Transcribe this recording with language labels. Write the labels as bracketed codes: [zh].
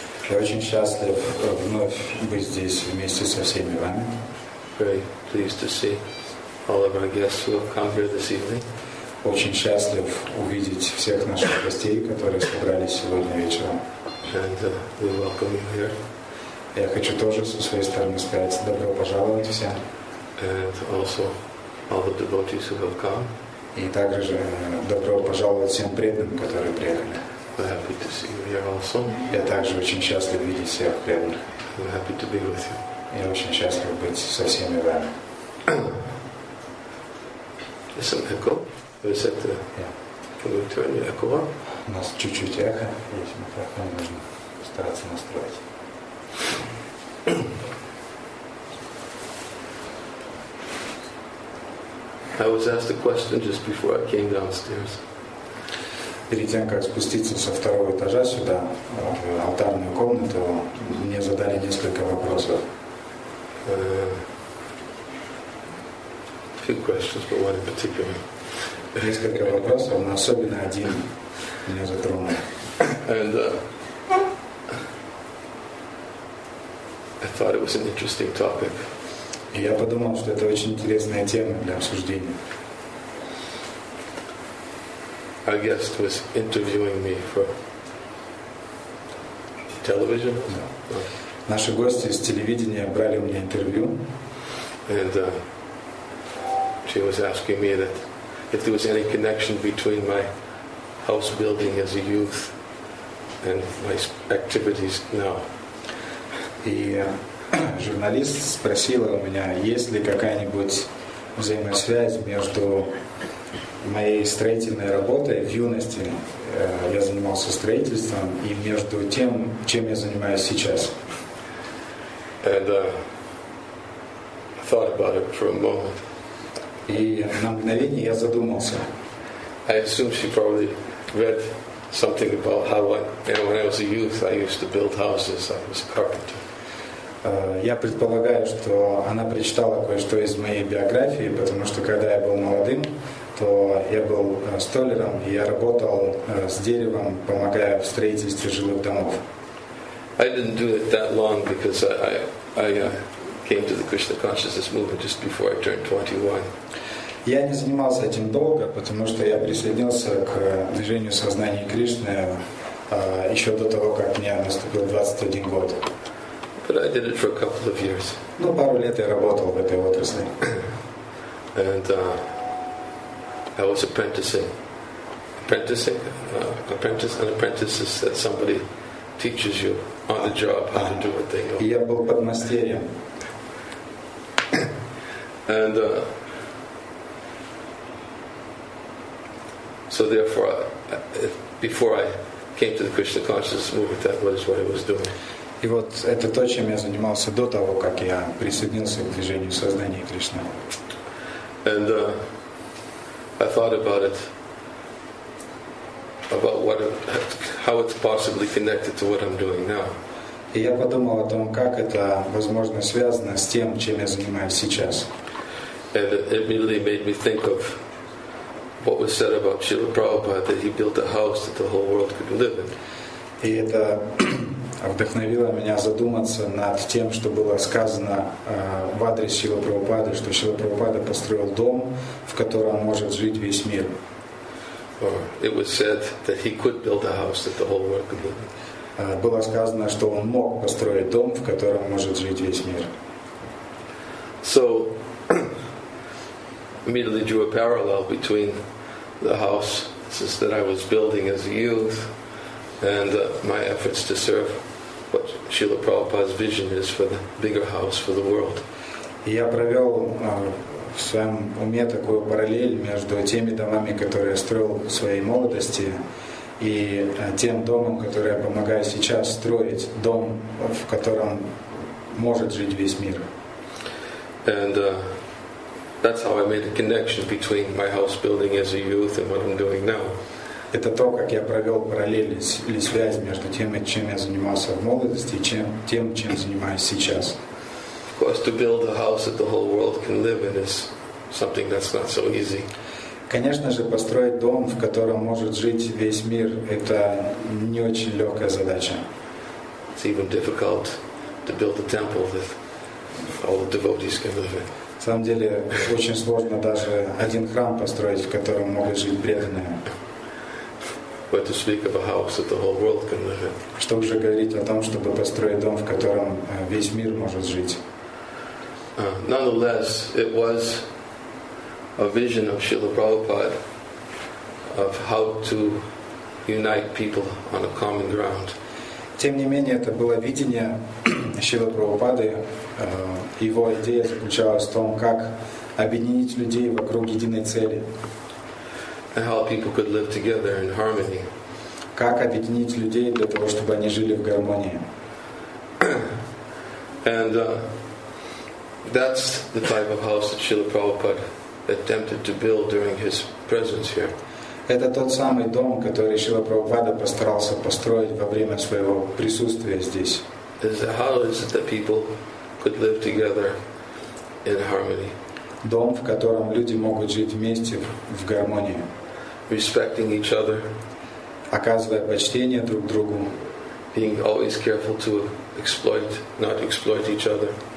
[ru] Очень счастлив вновь быть здесь вместе со всеми вами. [en] Very pleased to see all of our guests who have come here this evening. [ru] Очень счастлив увидеть всех наших гостей, которые собрались сегодня вечером. [en] And we welcome you here. [ru] Я хочу тоже со своей стороны сказать добро пожаловать всем. [en] And also all the devotees who have come. [ru] И также добро пожаловать всем преданным, которые приехали. [en] We're happy to see you here also. [ru] Я также очень счастлив видеть всех преданных. [en] We're happy to be with you. [ru] Я очень счастлив быть со всеми вами. [en] There's some echo. Is that the... Can we turn the echo on? [ru] У нас чуть-чуть эхо. Есть микрофон, нужно постараться настроить. [en] I was asked a question just before I came downstairs. [ru] Перед тем, как спуститься со второго этажа сюда, в алтарную комнату, мне задали несколько вопросов. [en] Few questions, but one in particular. [ru] Несколько вопросов, но особенно один меня затронул. [en] And I thought it was an interesting topic. [ru] И я подумал, что это очень интересная тема для обсуждения. [en] Our guest was interviewing me for television. No. [ru] Наши гости из телевидения брали у меня интервью. [en] And she was asking me that if there was any connection between my house building as a youth and my activities now. [ru] И журналист спросила у меня, есть ли какая-нибудь взаимосвязь между моей строительной работой в юности, я занимался строительством, и между тем, чем я занимаюсь сейчас. [en] And, thought about it for a moment. [ru] И на мгновение я задумался. [en] I assume she probably read something about how I, when I was a youth, I used to build houses, I was a carpenter. [ru] Я предполагаю, что она прочитала кое-что из моей биографии, потому что когда я был молодым, то я был столяром, и я работал с деревом, помогая в строительстве жилых домов. [en] I didn't do it that long because I came to the Krishna consciousness movement just before I turned 21. [ru] Я не занимался этим долго, потому что я присоединился к движению сознания Кришны еще до того, как мне наступил 21 год. [en] But I did it for a couple of years. [ru] Ну, пару лет я работал в этой отрасли. [en] And I was apprentice that somebody teaches you on the job how to do a thing. [ru] И я был подмастерьем. [en] And so therefore, before I came to the Krishna consciousness movement, that was what I was doing. [ru] И вот это то, чем я занимался до того, как я присоединился к движению сознания Кришны. [en] And I thought about it, about what, how it's possibly connected to what I'm doing now. [ru] И я подумал о том, как это, возможно, связано с тем, чем я занимаюсь сейчас. [en] And it immediately made me think of what was said about Srila Prabhupada, that he built a house that the whole world could live in. [ru] И это вдохновило меня задуматься над тем, что было сказано в адрес Шрилы Прабхупады, что Шрила Прабхупада построил дом, в котором может жить весь мир. [en] Or it was said that he could build a house that the whole world could live in. [ru] Было сказано, что он мог построить дом, в котором может жить весь мир. [en] So immediately drew a parallel between the house that I was building as a youth and my efforts to serve what Srila Prabhupada's vision is for the bigger house for the world. [ru] Я провел в своем уме такую параллель между теми домами, которые я строил в своей молодости, и тем домом, который я помогаю сейчас строить, дом, в котором может жить весь мир. [en] And that's how I made a connection between my house building as a youth and what I'm doing now. [ru] Это то, как я провел параллель или связь между тем, чем я занимался в молодости, и тем, чем занимаюсь сейчас. [en] Of course, to build a house that the whole world can live in is something that's not so easy. [ru] Конечно же, построить дом, в котором может жить весь мир, это не очень легкая задача. [en] It's even difficult to build a temple that all the devotees can live in. [ru] На самом деле, очень сложно даже один храм построить, в котором могут жить преданные. [en] What to speak of a house that the whole world can live in. [ru] Что уже говорить о том, чтобы построить дом, в котором весь мир может жить. [en] Nonetheless, it was a vision of Srila Prabhupada of how to unite people on a common ground. [ru] Тем не менее, это было видение Шрилы Прабхупады. Его идея заключалась в том, как объединить людей вокруг единой цели. [en] And how people could live together in harmony. [ru] Как объединить людей для того, чтобы они жили в гармонии. [en] And that's the type of house that Srila Prabhupada attempted to build during his presence here. [ru] Это тот самый дом, который Шрила Прабхупада постарался построить во время своего присутствия здесь. [en] How is it that people could live together in harmony? [ru] Дом, в котором люди могут жить вместе в гармонии. [en] Respecting each other. [ru] Оказывая почтение друг другу. [en] Being always careful to exploit, not exploit each other.